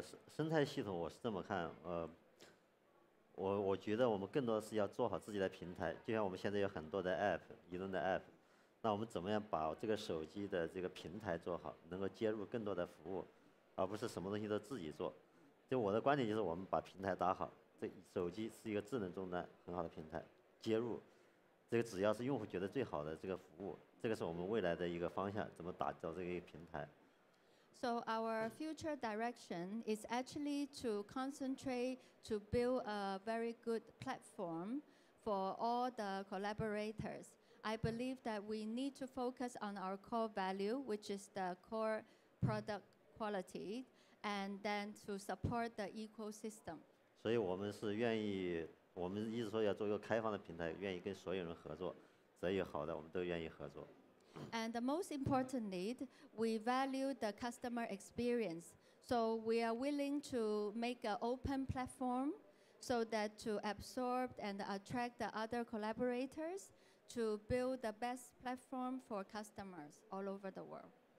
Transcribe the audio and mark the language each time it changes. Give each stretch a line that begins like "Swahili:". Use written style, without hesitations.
Chinese: 生态系统我是这么看，我觉得我们更多是要做好自己的平台，就像我们现在有很多的 app， 移动的 app， 那我们怎么样把这个手机的这个平台做好，能够接入更多的服务，而不是什么东西都自己做。就我的观点就是我们把平台打好，这手机是一个智能终端，很好的平台接入，这个只要是用户觉得最好的这个服务，这个是我们未来的一个方向，怎么打造这个平台。
English: So our future direction is actually to concentrate to build a very good platform for all the collaborators. I believe that we need to focus on our core value, which is the core product quality, and then to support the ecosystem.
Chinese: 所以我们是愿意，我们一直说要做一个开放的平台，愿意跟所有人合作，只要有好的，我们都愿意合作。
English: And the most importantly, we value the customer experience. So we are willing to make an open platform so that to absorb and attract the other collaborators to build the best platform for customers all over the world.